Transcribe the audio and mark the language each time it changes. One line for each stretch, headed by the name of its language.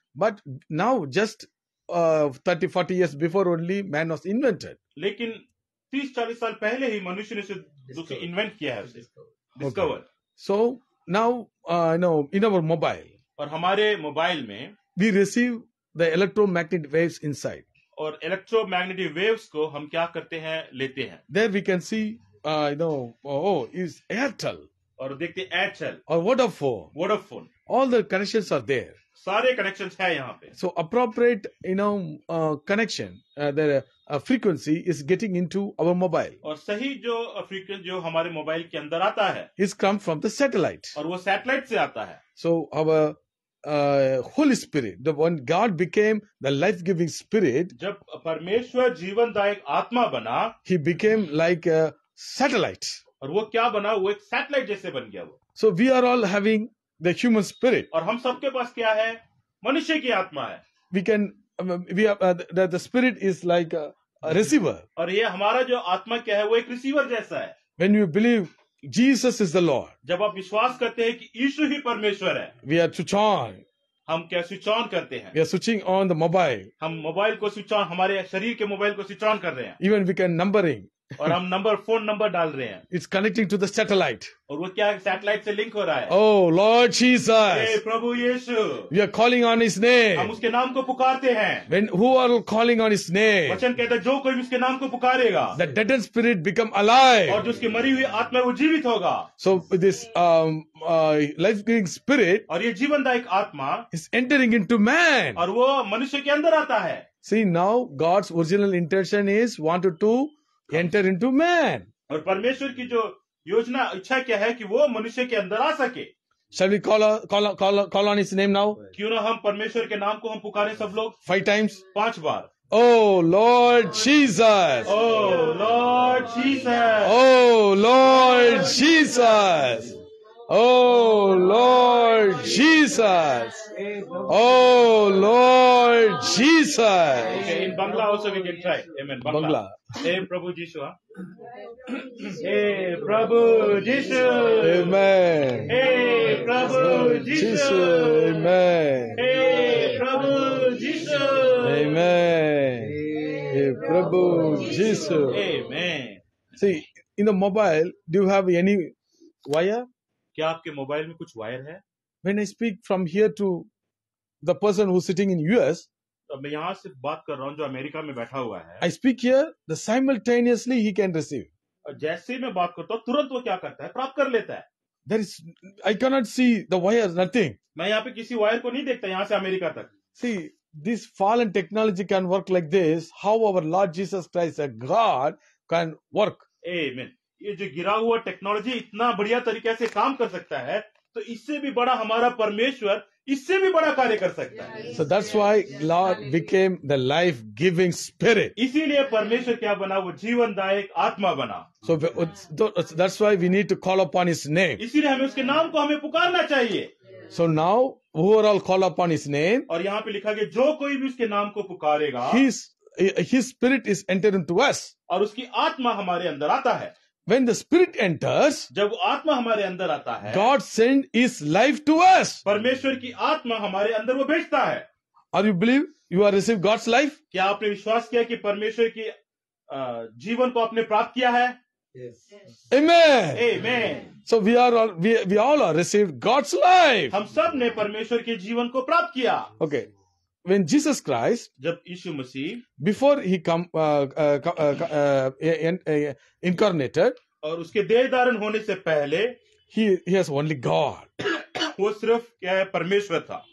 English: But now just 30-40 years before only man was invented.
Hindi: लेकिन 30-40 साल पहले ही मनुष्य ने इन्वेंट किया है डिस्कवर।
English: so now no in our mobile
Hindi: और हमारे मोबाइल में
English: we receive the electromagnetic waves inside
Hindi: और इलेक्ट्रोमैग्नेटिक वेव्स को हम क्या करते हैं लेते हैं।
English: there we can see no oh is Airtel
Hindi: और देखते एयरटेल
English: और Vodafone all the connections are there
Hindi: सारे कनेक्शंस है यहाँ पे।
English: So appropriate you know connection there frequency is getting into our mobile.
Hindi: और सही जो frequency जो हमारे mobile के अंदर आता है
English: is come from the satellite.
Hindi: और वो satellite से आता है।
English: So our Holy Spirit, the one God became the life-giving spirit.
Hindi: जब परमेश्वर जीवनदायक आत्मा बना
English: he became like a satellite.
Hindi: और वो क्या बना? वो एक satellite जैसे बन गया वो।
English: So we are all having the human spirit.
Hindi: और हम सबके पास क्या है? मनुष्य की आत्मा है।
English: We can the spirit is like a receiver.
Hindi: और ये हमारा जो आत्मा क्या है वो एक रिसीवर जैसा है।
English: When you believe Jesus is the Lord,
Hindi: जब आप विश्वास करते हैं कि यीशु ही परमेश्वर है,
English: we are to chant,
Hindi: हम क्या स्विच ऑन करते हैं?
English: We are switching on the mobile.
Hindi: हम मोबाइल को स्विच ऑन, हमारे शरीर के मोबाइल को स्विच ऑन कर रहे हैं.
English: Even we can numbering.
Hindi: और हम नंबर फोन नंबर डाल रहे हैं.
English: It's connecting to the satellite.
Hindi: और वो क्या सैटेलाइट से लिंक हो रहा है?
English: Oh Lord Jesus.
Hindi: Hey, Prabhu Yeshu.
English: We are calling on his name.
Hindi: हम उसके नाम को पुकारते हैं.
English: When who are calling on his name?
Hindi: वचन कहता है जो कोई भी उसके नाम को पुकारेगा.
English: The dead and spirit become alive.
Hindi: और जो उसकी मरी हुई आत्मा वो जीवित होगा.
English: So this life giving spirit.
Hindi: और ये जीवनदायक आत्मा.
English: Is entering into man.
Hindi: और वो मनुष्य के अंदर आता है.
English: See now God's original intention is wanted to enter into man.
Hindi: और परमेश्वर की जो योजना इच्छा क्या है कि वो मनुष्य के अंदर आ सके.
English: Shall we call on his name now?
Hindi: क्यों ना हम परमेश्वर के नाम को हम पुकारे सब लोग.
English: 5 times.
Hindi: 5 bar.
English: Oh Lord Jesus. Oh Lord Jesus. Oh Lord Jesus. Oh Lord Jesus. Oh Lord Jesus. Okay, in Bangla also we can try. Amen. Bangla.
Bangla: Hey Prabhu Jishu. Hey Prabhu Jishu.
English: Amen.
Bangla: Hey Prabhu Jishu.
English: Amen.
Bangla: Hey Prabhu Jishu. Amen. Hey Prabhu Jishu.
English: Amen. See, in the mobile, do you have any wire?
Hindi: क्या आपके mobile में कुछ wire है?
English: When I speak from here to the person who's sitting in US,
Hindi: मैं यहाँ से बात कर रहा हूँ जो अमेरिका में बैठा हुआ है.
English: I speak here, the simultaneously he can receive.
Hindi: जैसे मैं बात करता हूँ तुरंत वो क्या करता है? प्राप्त कर लेता है.
English: There is, I cannot see the wire, nothing.
Hindi: मैं यहाँ पे किसी वायर को नहीं देखता यहाँ से अमेरिका तक.
English: See, this fallen technology can work like this. How our Lord Jesus Christ, a God, can work? Amen.
Hindi: ये जो गिरा हुआ टेक्नोलॉजी इतना बढ़िया तरीके से काम कर सकता है तो इससे भी बड़ा हमारा परमेश्वर इससे भी बड़ा कार्य कर सकता है.
English: So that's why Lord became the life giving spirit.
Hindi: इसीलिए परमेश्वर क्या बना? वो जीवनदायक आत्मा बना.
English: So that's why we need to call upon his name.
Hindi: इसीलिए हमें उसके नाम को हमें पुकारना चाहिए.
English: So now overall call upon his name.
Hindi: और यहाँ पे लिखा गया जो कोई भी उसके नाम को पुकारेगा
English: His spirit is enter into us.
Hindi: और उसकी आत्मा हमारे अंदर आता है.
English: When the spirit enters,
Hindi: जब आत्मा हमारे अंदर आता है,
English: God send his life to us.
Hindi: परमेश्वर की आत्मा हमारे अंदर वो भेजता है.
English: Are you believe you are receive God's life?
Hindi: क्या आपने विश्वास किया कि परमेश्वर की जीवन को आपने प्राप्त किया है?
English: Yes. Amen. Amen. So we all are received God's life.
Hindi: हम सब ने परमेश्वर के जीवन को प्राप्त किया.
English: Okay. When Jesus Christ,
Hindi: जब यीशु मसीह,
English: before he incarnated,
Hindi: और उसके देह धारण होने से पहले,
English: he has only God.
Hindi: वो सिर्फ क्या है? परमेश्वर था.